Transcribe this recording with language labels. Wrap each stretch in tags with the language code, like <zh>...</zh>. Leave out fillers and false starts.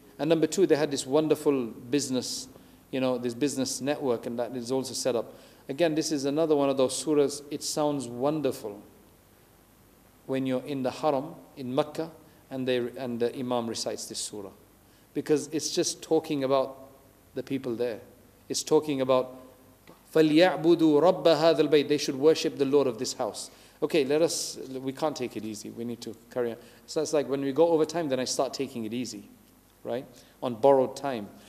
<en>And number two, they had this wonderful business, this business network, and that is also set up. Again, this is another one of those surahs. It sounds wonderful when you're in the haram, in Mecca, and the imam recites this surah. Because it's just talking about the people there. It's talking about</en> <ar>فَلْيَعْبُدُوا رَبَّ هَذَا الْبَيْتِ.</ar> <en>They should worship the Lord of this house. Okay, we can't take it easy. We need to carry on. So it's like when we go over time, then I start taking it easy. Right? On borrowed time.</en>